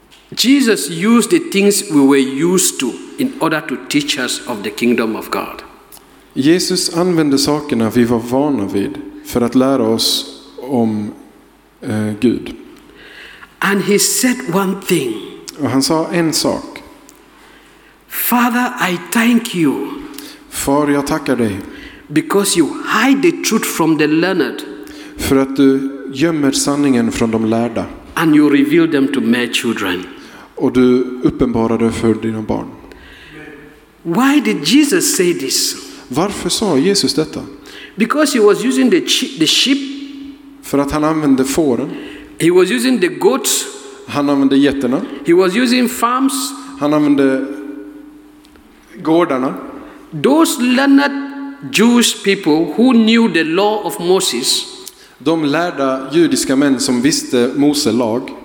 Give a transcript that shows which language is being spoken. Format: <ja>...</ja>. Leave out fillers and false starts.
<en>Jesus used the things we were used to in order to teach us of the kingdom of God.</en> <sv>Jesus använde sakerna vi var vana vid för att lära oss om Gud.</sv> <en>And he said one thing.</en> <sv>Och han sa en sak.</sv> <en>Father, I thank you.</en> <sv>Far, jag tackar dig.</sv> <en>Because you hide the truth from the learned.</en> <sv>För att du gömmer sanningen från de lärda.</sv> <en>And you reveal them to mere children.</en> <sv>Och du uppenbarar det för dina barn.</sv> <en>Why did Jesus say this?</en> <sv>Varför sa Jesus detta?</sv> <en>Because he was using the sheep.</en> <sv>För att han använde fåren.</sv> <en>He was using the goats.</en> <sv>Han använde getterna.</sv> <en>He was using farms.</en> <sv>Han använde gårdarna.</sv> <en>Those learned Jewish people who knew the law of Moses.</en> <sv>De lärda judiska män som visste Mose lag.</sv>